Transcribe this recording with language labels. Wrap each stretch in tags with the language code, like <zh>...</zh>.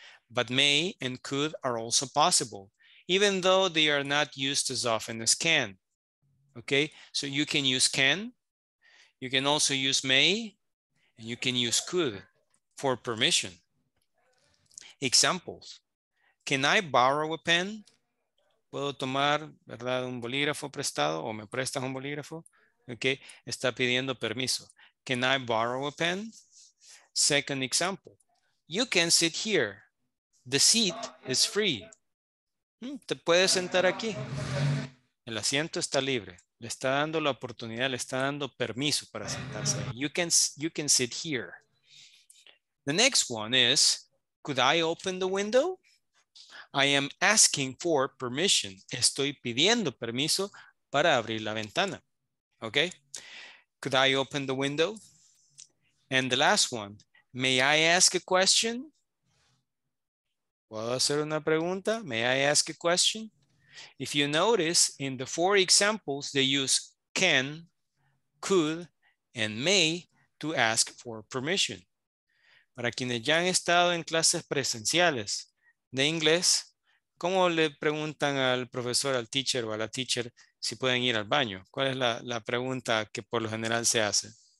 <en>But may and could are also possible, even though they are not used as often as can. Okay, so you can use can, you can also use may, and you can use could for permission. Examples. Can I borrow a pen?</en> <es>¿Puedo tomar, verdad, un bolígrafo prestado o me prestas un bolígrafo?</es> <en>Okay,</en> <es>está pidiendo permiso.</es> <en>Can I borrow a pen? Second example. You can sit here. The seat is free.</en> <es>Te puedes sentar aquí. El asiento está libre. Le está dando la oportunidad, le está dando permiso para sentarse.</es> <en>You can sit here. The next one is, could I open the window? I am asking for permission.</en> <es>Estoy pidiendo permiso para abrir la ventana.</es> <en>Okay. Could I open the window? And the last one, may I ask a question?</en> <es>¿Puedo hacer una pregunta?</es> <en>May I ask a question? If you notice, in the four examples, they use can, could, and may to ask for permission.</en> <es>Para quienes ya han estado en clases presenciales de inglés, ¿cómo le preguntan al profesor, al teacher o a la teacher si pueden ir al baño? ¿Cuál es la pregunta que por lo general se hace?</es>